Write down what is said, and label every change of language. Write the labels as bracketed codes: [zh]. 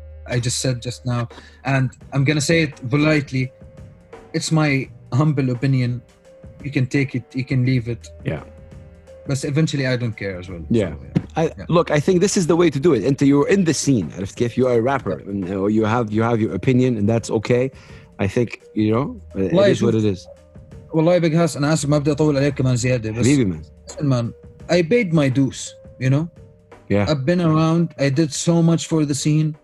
[en] I just said just now, and I'm going to say it politely. It's my humble opinion you can take it, you can leave it. Yeah. But eventually, I don't care as well. Yeah. So, yeah. Look, I think this is the way to do it. And you're in the scene. If you are a rapper, yeah, or you have your opinion, and that's okay. I think, you know, well, it is what it is. [ar] والله يا بيغهاس أنا آسف ما بدي أطول عليك كمان زيادة بس حبيبي مان [en] man I paid my dues you know yeah I've been around I did so much for the scene